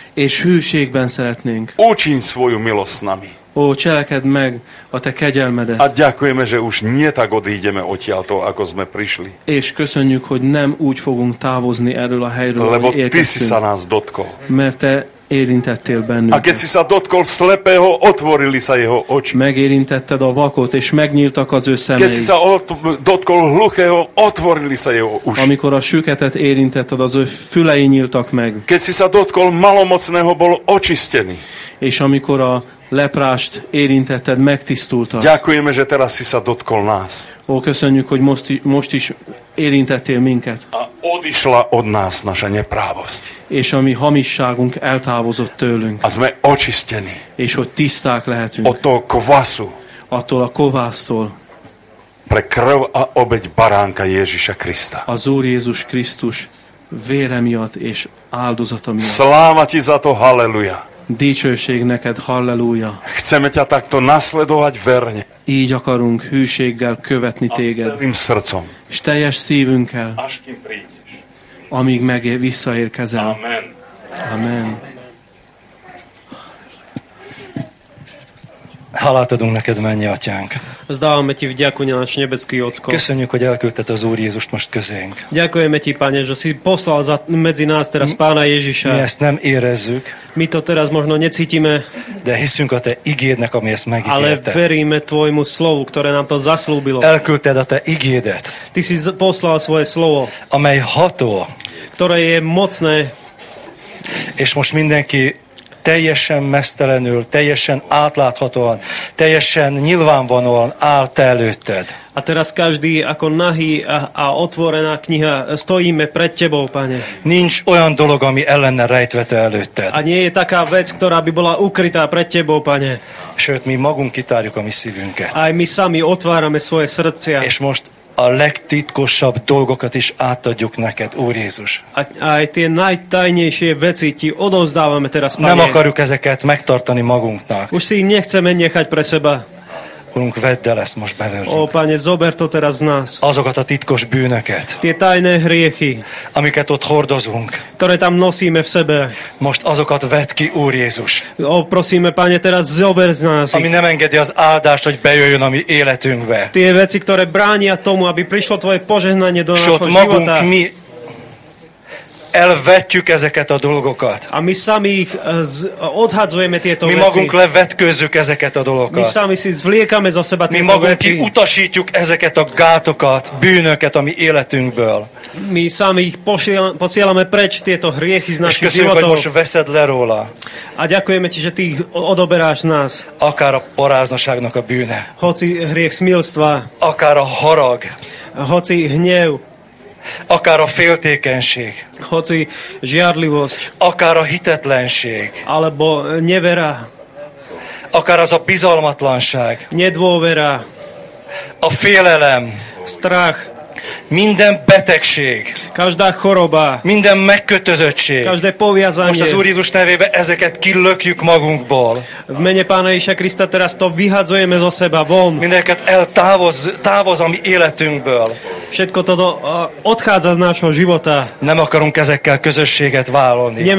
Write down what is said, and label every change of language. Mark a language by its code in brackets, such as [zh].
[hu] És hűségben szeretnénk. [sk] Učiň svoju milosť nami. [hu] Ó, cselekedd meg a te kegyelmedet. [sk] A ďakujeme, že už nie tak odídeme odtiaľto, ako sme prišli. [hu] És köszönjük, hogy nem úgy fogunk távozni erről a helyről, [sk] lebo [hu] ahogy érkeztünk. [sk] Lebo ty si sa nás dotkol. [hu] Mert te érintettél bennünket. [sk] A keď si sa dotkol slepého, otvorili sa jeho oči. [hu] Megérintetted a vakot, és megnyíltak az ő szemei. [sk] Keď si sa dotkol hluchého, otvorili sa jeho uši. [hu] Amikor a süketet érintetted, az ő fülei nyíltak meg. [sk] Keď si sa dotkol malomocného, bol očistený. [hu] És amikor a leprást érintetted, megtisztultad. [sk] Ďakujeme, že teraz si sa dotkol nás. [hu] Ó, köszönjük, hogy most is érintettél minket. [sk] A odišla od nás naša neprávosť. [hu] És a mi hamisságunk eltávozott tőlünk. [sk] A sme očistení. [hu] És hogy tiszták lehetünk. [sk] Od toho kvasu. [hu] Attól a kovásztól. [sk] Pre krv a obeť baránka Ježiša Krista. [hu] Az Úr Jézus Krisztus vére miatt és áldozata miatt. [sk] Sláva ti za to, halleluja. [hu] Dicsőség neked, halleluja. [sk] Chceme ťa takto nasledovať verne. [hu] Így akarunk hűséggel követni téged. [sk] A celým srdcom. [hu] S teljes szívünkkel. [sk] Až kým prídeš. [hu] Amíg meg visszaérkezel. [sk] Amen. [hu] Amen. Hálát adunk neked, mennyi atyánk. [sk] Zdávame ti vďakuňa náš nebeský Ocko. [hu] Köszönjük, hogy elküldted az Úr Jézust most közénk. [sk] Ďakujeme ti, Pane, že si poslal za, medzi nás teraz Pána Ježiša. [hu] Mi ezt nem érezzük. [sk] Mi to teraz možno necítime. [hu] De hiszünk a te igédnek, ami ezt megígérte. [sk] Ale veríme tvojmu slovu, ktoré nám to zaslúbilo. [hu] Elküldted a te igédet. [sk] Ty si poslal svoje slovo. [hu] Amely ható. [sk] Ktoré je mocné. [hu] És most mindenki teljesen mesztelenül, teljesen átláthatóan, teljesen nyilvánvalóan áll te előtted. [sk] A teraz každý ako nahý a otvorená kniha stojíme pred tebou, Pane. [hu] Nincs olyan dolog, ami ellene rejtve te előtted. [sk] A nie je taká vec, ktorá by bola ukrytá pred tebou, Pane. [hu] Sőt, mi magunk kitárjuk a mi szívünket. [sk] Aj my sami otvárame svoje srdcia. [hu] És most a legtitkosabb dolgokat is átadjuk neked, Úr Jézus. [sk] Aj tie najtajnejšie veci ti odovzdávame teraz, Pane. [hu] Nem akarjuk ezeket megtartani magunknak. [sk] Už si ich nechceme nechať pre seba. [hu] Úrunk, vedd el ezt most belőlünk. [sk] Ó, Pane, zober to teraz z nás. [hu] Azokat a titkos bűnöket. [sk] Tie tajné hriechy. [hu] Amiket ott hordozunk. [sk] Ktoré tam nosíme v sebe. [hu] Most azokat vedd ki, Úr Jézus. [sk] Ó, prosíme, Pane, teraz zober z nás. [hu] Ami nem engedi az áldást, hogy bejöjjön a mi életünkbe. [sk] Tie veci, ktoré bránia tomu, aby prišlo tvoje požehnanie do nášho života. [hu] S magunk mi elvetjük ezeket a dolgokat. [sk] A mi sami ich odhadzujeme tieto veci. [hu] Mi magunk levetkőzzük ezeket a dolgokat. [sk] Mi sami si zvliekame zo seba tieto veci. [hu] Mi magunk kiutasítjuk ezeket a gátokat, bűnöket a mi életünkből. [sk] Mi sami ich posielame preč tieto hriechy z našich životov. [hu] És köszönjük, hogy most veszed le róla. [sk] A ďakujeme ti, že ty ich odoberáš nás. [hu] Akár a poráznoságnak a bűne. [sk] Hoci hriech smilstva. [hu] Akár a harag. [sk] Hoci hnev. [hu] Akár a féltékenység. [sk] Hoci žiarlivosť. [hu] Akár a hitetlenség. [sk] Alebo nevera. [hu] Akár az a bizalmatlanság. [sk] Nedôvera. [hu] A félelem. [sk] Strach. [hu] Minden betegség. [sk] Každá choroba. [hu] Minden megkötözöttség. [sk] Každé poviazanie. [hu] Most az Úr Jézus nevében ezeket kilökjük magunkból. [sk] V mene Pána Ježiša Krista teraz to vyhadzujeme zo seba von. [hu] Mindeneket eltávoz a mi életünkből. [sk] Všetko toto odchádza z nášho života. [hu] Nem akarunk ezekkel közösséget vállalni.